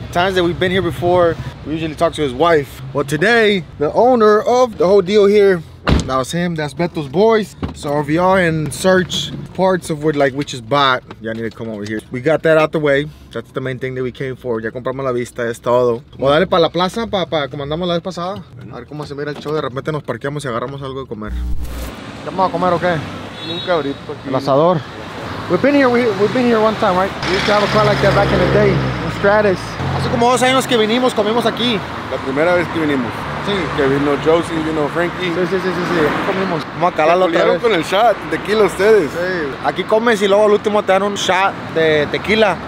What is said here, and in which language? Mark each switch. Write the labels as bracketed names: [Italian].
[English] Times that we've been here before, we usually talk to his wife. Well, today, the owner of the whole deal here, that was him. That's Beto's boys. So if y'all in search parts of what like we just bought, y'all need to come over here. We got that out the way. That's the main thing that we came for. [Spanish] Ya compramos la vista, es todo. O dale para la plaza, papá, como andamos la vez pasada. A ver cómo se mira el show. De repente nos parqueamos y agarramos algo de comer. ¿Vamos a comer o qué? Un cabrito aquí. El asador. [English] We've been here one time, right? We used to have a car like that back in the day, in Stratus. [Spanish] Hace como dos años que vinimos, comimos aquí. La primera vez que vinimos. Sí. Que vino Josie, vino Frankie. Sí. Aquí comimos. Vamos a calarlo otra vez. Comieron con el shot, tequila ustedes. Sí. Aquí comes y luego al último te dan un shot de tequila.